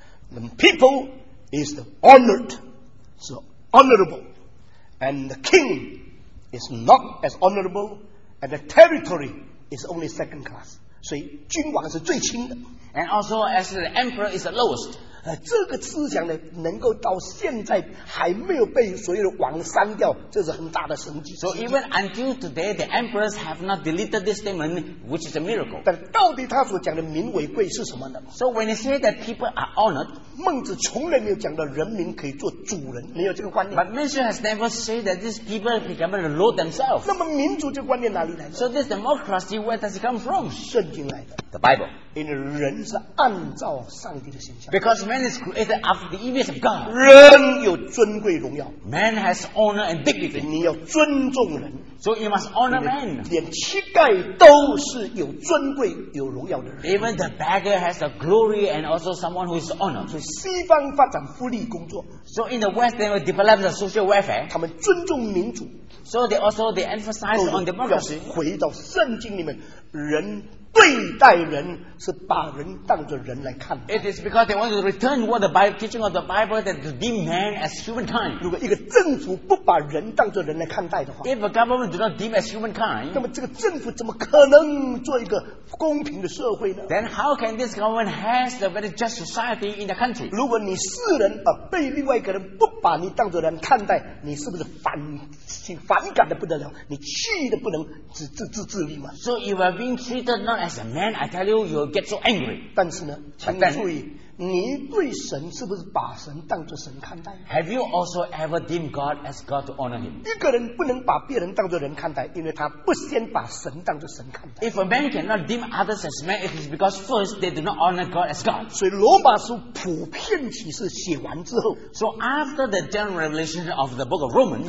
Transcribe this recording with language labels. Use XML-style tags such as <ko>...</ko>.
<en>The people is the honored. So honorable, and the king is not as honorable, and the territory is only second class.</en> <zh>所以君王是最轻的。</zh> <en>And also as the emperor is the lowest.</en> <zh>这个思想呢，能够到现在还没有被所有的王删掉，这是很大的神迹。</zh> <en>So even until today, the emperors have not deleted this statement, which is a miracle.</en> <zh>但到底他所讲的民为贵是什么呢？</zh> <en>So when he said that people are honored,</en> <zh>孟子从来没有讲到人民可以做主人，没有这个观念。</zh> <en>But Mencius has never said that these people become the lord themselves.</en> <zh>那么民主这个观念哪里来的？</zh> <en>So this democracy, where does it come from?</en> <zh>圣经来的。</zh> <en>The Bible.</en> <zh>因为人是按照上帝的形象。</zh> <en>Because man is created after the image of God.</en> <zh>人有尊贵荣耀。</zh> <en>Man has honor and dignity.</en> <zh>你要尊重人。</zh> <en>So you must honor man.</en> <zh>连乞丐都是有尊贵有荣耀的人。</zh> <en>Even the beggar has a glory and also someone who is honored.</en> <zh>所以西方发展福利工作。</zh> <en>So in the West they will develop the social welfare.</en> <zh>他们尊重民主。</zh> <en>So they emphasize on democracy.</en> <zh>回到圣经里面, 人 对待人是把人当作人来看。</zh> <en>It is because they want to return what the Bible, teaching of the Bible, that to deem man as humankind.</en> <zh>如果一个政府不把人当作人来看待的话，</zh> <en>If a government do not deem as humankind,</en> <zh>那么这个政府怎么可能做一个公平的社会呢？</zh> <en>Then how can this government have a very just society in the country?</en> <zh>如果你世人被另外一个人不把你当作人看待，你是不是反感的不得了？你气的不能自理吗？</zh> <en>So you are being treated not as a man, I tell you, you'll get so angry.</en> <zh>但是呢, 请注意, 你对神是不是把神当作神看待？</zh> <en>Have you also ever deemed God as God to honor him?</en> <zh>一个人不能把别人当作人看待， 因为他不先把神当作神看待。</zh> <en>If a man cannot deem others as men, it is because first they do not honor God as God.</en> <zh>所以罗马书普遍启示写完之后，</zh> <en>So after the general revelation of the book of Romans,</en>